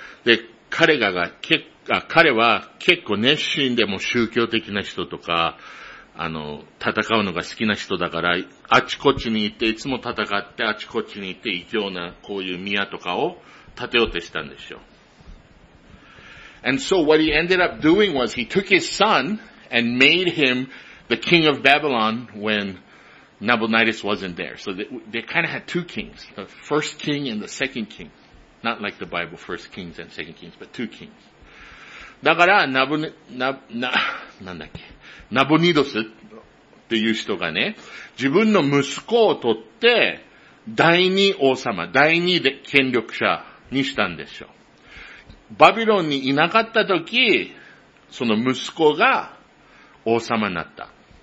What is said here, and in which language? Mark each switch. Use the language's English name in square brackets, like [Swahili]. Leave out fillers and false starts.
[Japanese] で、彼は結構熱心でも宗教的な人とか、戦うのが好きな人だから、あちこちに行って、いつも戦って、あちこちに行って、異常なこういう宮とかを建てようとしたんでしょう。 [English] And so what he ended up doing was he took his son and made him the king of Babylon when Nabonidus wasn't there. So they kind of had two kings, the first king and the second king. Not like the Bible, first kings and second kings, but two kings. [Japanese] だから、なんだっけ。ナボニドスっていう人がね、自分の息子を取って第二王様、第二で権力者にしたんでしょう。バビロンにいなかった時、その息子が王様になった。